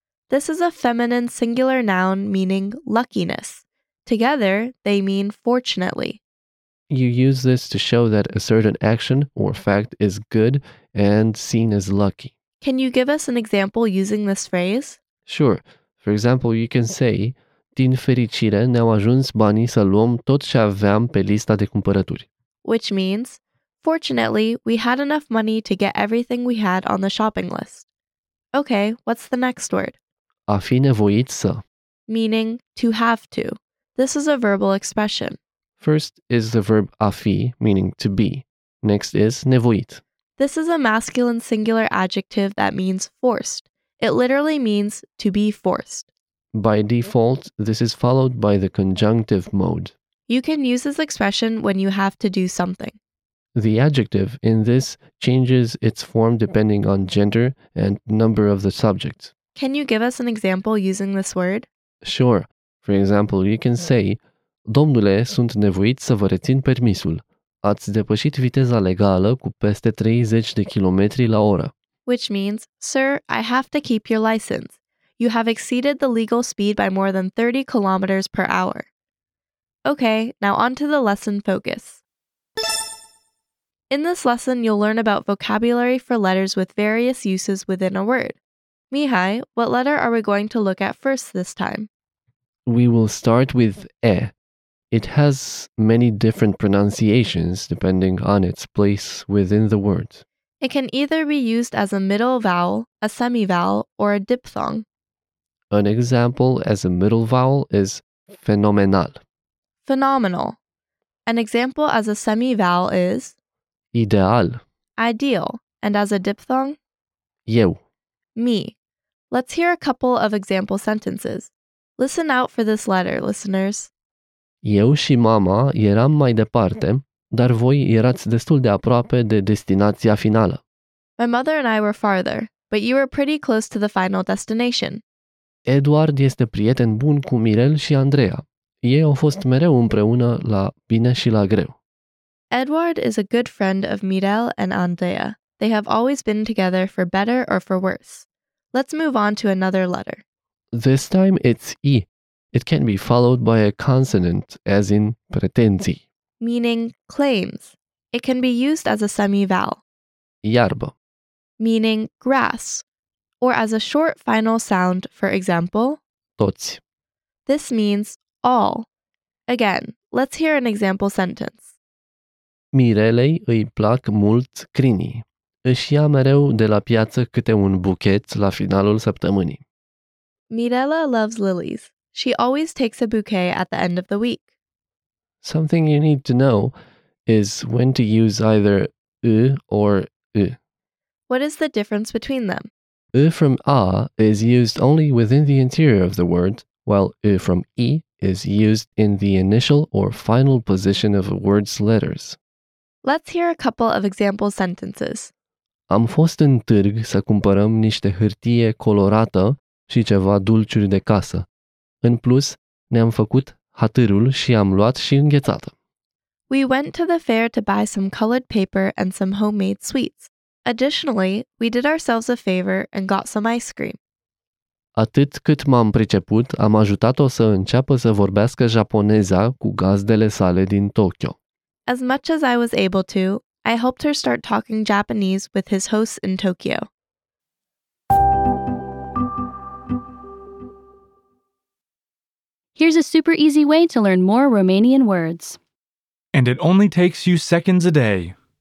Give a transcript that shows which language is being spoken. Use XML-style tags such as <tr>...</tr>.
<en>This is a feminine singular noun meaning luckiness. Together, they mean fortunately. You use this to show that a certain action or fact is good and seen as lucky. Can you give us an example using this phrase? Sure. For example, you can say,</en> <ro>Din fericire ne-au ajuns banii să luăm tot ce aveam pe lista de cumpărături.</ro> <en>Which means... Fortunately, we had enough money to get everything we had on the shopping list. Okay, what's the next word?</en> <ro>A fi nevoit să.</ro> <en>Meaning, to have to. This is a verbal expression. First is the verb a fi, meaning to be. Next is nevoit. This is a masculine singular adjective that means forced. It literally means to be forced. By default, this is followed by the conjunctive mode. You can use this expression when you have to do something. The adjective in this changes its form depending on gender and number of the subject. Can you give us an example using this word? Sure. For example, you can say,</en> <ro>Domnule, sunt nevoit să vă rețin permisul. Ați depășit viteza legală cu peste 30 de kilometri la oră.</ro> <en>Which means, Sir, I have to keep your license. You have exceeded the legal speed by more than 30 kilometers per hour. Okay, now on to the lesson focus. In this lesson, you'll learn about vocabulary for letters with various uses within a word. Mihai, what letter are we going to look at first this time? We will start with E. It has many different pronunciations depending on its place within the word. It can either be used as a middle vowel, a semi-vowel, or a diphthong. An example as a middle vowel is phenomenal. Phenomenal. An example as a semi-vowel is ideal. Ideal. And as a diphthong?</en> <ro>Eu.</ro> <en>Me. Let's hear a couple of example sentences. Listen out for this letter, listeners.</en> <ro>Eu și mama eram mai departe, dar voi erați destul de aproape de destinația finală.</ro> <en>My mother and I were farther, but you were pretty close to the final destination.</en> <ro>Eduard este prieten bun cu Mirel și Andreea. Ei au fost mereu împreună la bine și la greu.</ro> <en>Eduard is a good friend of Mirel and Andreea. They have always been together for better or for worse. Let's move on to another letter. This time it's I. It can be followed by a consonant, as in pretenții. Meaning claims. It can be used as a semi-vowel.</en> <ro>Iarbă.</ro> <en>Meaning grass. Or as a short final sound, for example.</en> <ro>Toți.</ro> <en>This means all. Again, let's hear an example sentence.</en> <ro>Mirelei îi plac mult crinii. Își ia mereu de la piață câte un buchet la finalul săptămânii.</ro> <en>Mirela loves lilies. She always takes a bouquet at the end of the week. Something you need to know is when to use either ı or ı. What is the difference between them? ı from a is used only within the interior of the word, while ı from I is used in the initial or final position of a word's letters. Let's hear a couple of example sentences.</en> <ro>Am fost în târg să cumpărăm niște hârtie colorată și ceva dulciuri de casă. În plus, ne-am făcut hatârul și am luat și înghețată.</ro> <en>We went to the fair to buy some colored paper and some homemade sweets. Additionally, we did ourselves a favor and got some ice cream.</en> <ro>Atât cât m-am priceput, am ajutat-o să înceapă să vorbească japoneza cu gazdele sale din Tokyo.</ro> <en>As much as I was able to, I helped her start talking Japanese with his hosts in Tokyo. Here's a super easy way to learn more Romanian words. And it only takes you seconds a day.</en>